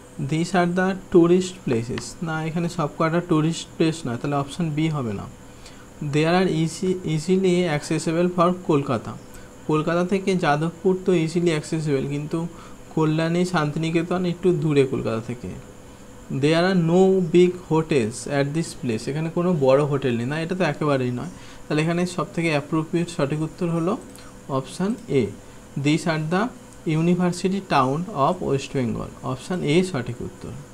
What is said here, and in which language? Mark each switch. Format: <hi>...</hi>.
<en>this are the tourist places,</en> <bn>না এখানে সব কটা টুরিস্ট প্লেস নয়, তাহলে অপশান বি হবে না।</bn> <en>There are easily accessible for Kolkata.</en> <bn>Kolkata থেকে যাদবপুর তো</bn> <en>easily accessible,</en> <bn>কিন্তু কল্যাণী শান্তিনিকেতন একটু দূরে কলকাতা থেকে।</bn> <en>There are no big hotels at this place.</en> <bn>এখানে কোনো বড় হোটেল নেই, না এটা তো একেবারেই নয়। তাহলে এখানে সব থেকে অ্যাপ্রোপ্রিয়েট সঠিক উত্তর হলো option A,</bn> <en>This are the university town of West Bengal.</en> <bn>Option A সঠিক উত্তর।</bn>